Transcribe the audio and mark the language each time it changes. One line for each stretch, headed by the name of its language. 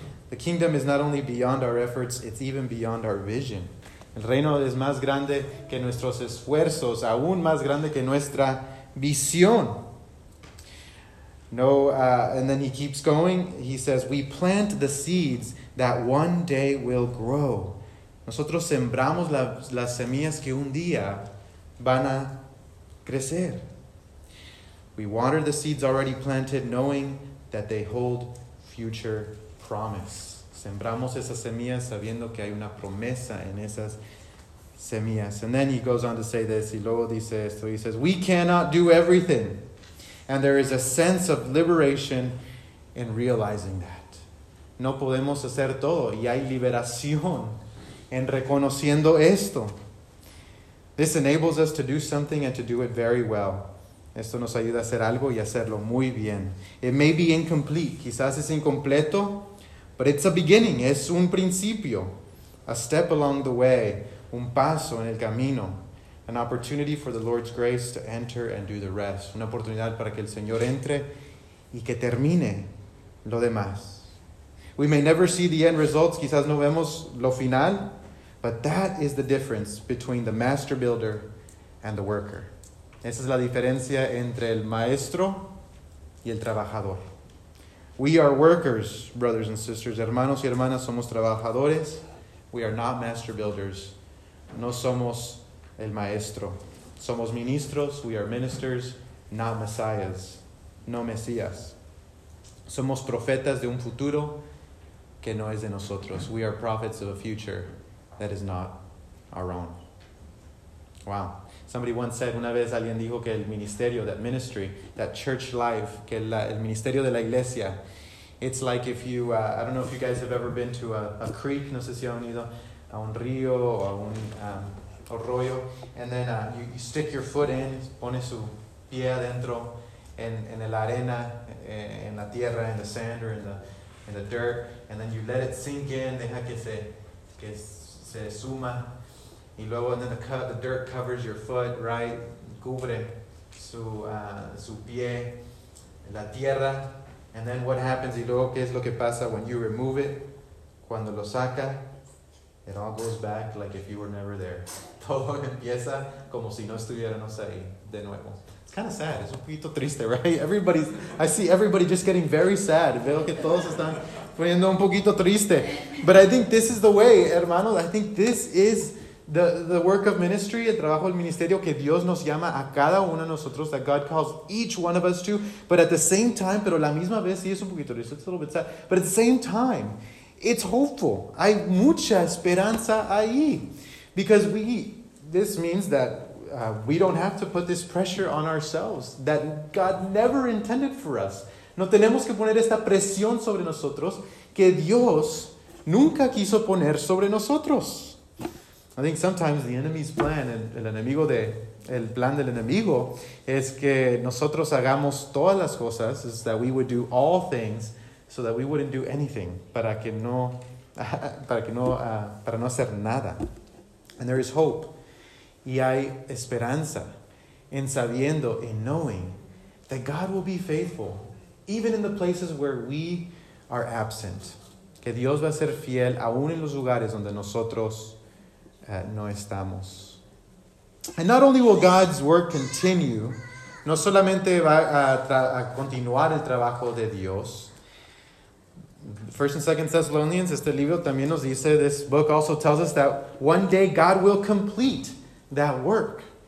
English: The kingdom is not only beyond our efforts, it's even beyond our vision.
Spanish: El reino es más grande que nuestros esfuerzos, aún más grande que nuestra visión.
English: And then he keeps going. He says, we plant the seeds that one day will grow.
Spanish: Nosotros sembramos las semillas que un día van a crecer.
English: We water the seeds already planted, knowing that they hold future promise.
Spanish: Sembramos esas semillas sabiendo que hay una promesa en esas semillas.
English: And then he goes on to say this.
Spanish: Y luego dice esto.
English: He says, we cannot do everything. And there is a sense of liberation in realizing that.
Spanish: No podemos hacer todo. Y hay liberación en reconociendo esto.
English: This enables us to do something and to do it very well.
Spanish: Esto nos ayuda a hacer algo y hacerlo muy bien.
English: It may be incomplete.
Spanish: Quizás es incompleto,
English: but it's a beginning.
Spanish: Es un principio.
English: A step along the way.
Spanish: Un paso en el camino.
English: An opportunity for the Lord's grace to enter and do the rest.
Spanish: Una oportunidad para que el Señor entre y que termine lo demás.
English: We may never see the end results.
Spanish: Quizás no vemos lo final.
English: But that is the difference between the master builder and the worker.
Spanish: Esa es la diferencia entre el maestro y el trabajador.
English: We are workers, brothers and sisters.
Spanish: Hermanos y hermanas, somos trabajadores.
English: We are not master builders.
Spanish: No somos el maestro. Somos ministros.
English: We are ministers, not messiahs.
Spanish: No mesías. Somos profetas de un futuro que no es de nosotros.
English: We are prophets of a future that is not our own. Wow. Somebody once said,
Spanish: una vez alguien dijo que el ministerio,
English: that ministry, that church life,
Spanish: que el ministerio de la iglesia,
English: it's like if you, I don't know if you guys have ever been to a creek,
Spanish: no sé si han ido a un río o a un arroyo,
English: and then you stick your foot in,
Spanish: pone su pie adentro en la arena, en la tierra,
English: in the sand or in the dirt, and then you let it sink in,
Spanish: deja que se suma. Y luego,
English: and then the dirt covers your foot, right?
Spanish: Cubre su pie, la tierra.
English: And then what happens?
Spanish: Y luego, ¿qué es lo que pasa
English: when you remove it?
Spanish: Cuando lo saca,
English: it all goes back like if you were never there.
Spanish: Todo empieza como si no estuviéramos ahí de nuevo.
English: It's kind of sad.
Spanish: Es un poquito triste,
English: right? I see everybody just getting very sad.
Spanish: Veo que todos están poniendo un poquito triste.
English: But I think this is the way, hermano. I think this is the work of ministry,
Spanish: el trabajo del ministerio que Dios nos llama a cada uno de nosotros,
English: that God calls each one of us to, but at the same time,
Spanish: pero la misma vez, sí es un poquito triste,
English: it's a little bit sad, but at the same time, it's hopeful.
Spanish: Hay mucha esperanza ahí.
English: Because this means that we don't have to put this pressure on ourselves that God never intended for us.
Spanish: No tenemos que poner esta presión sobre nosotros que Dios nunca quiso poner sobre nosotros.
English: I think sometimes the enemy's plan,
Spanish: el plan del enemigo, es que nosotros hagamos todas las cosas,
English: is that we would do all things so that we wouldn't do anything,
Spanish: para no hacer nada.
English: And there is hope.
Spanish: Y hay esperanza en sabiendo,
English: in knowing, that God will be faithful, even in the places where we are absent.
Spanish: Que Dios va a ser fiel aún en los lugares donde nosotros no estamos.
English: And not only will God's work continue,
Spanish: no solamente va a continuar el trabajo de Dios.
English: First and Second Thessalonians,
Spanish: este libro también nos dice,
English: this book also tells us that one day God will complete that work.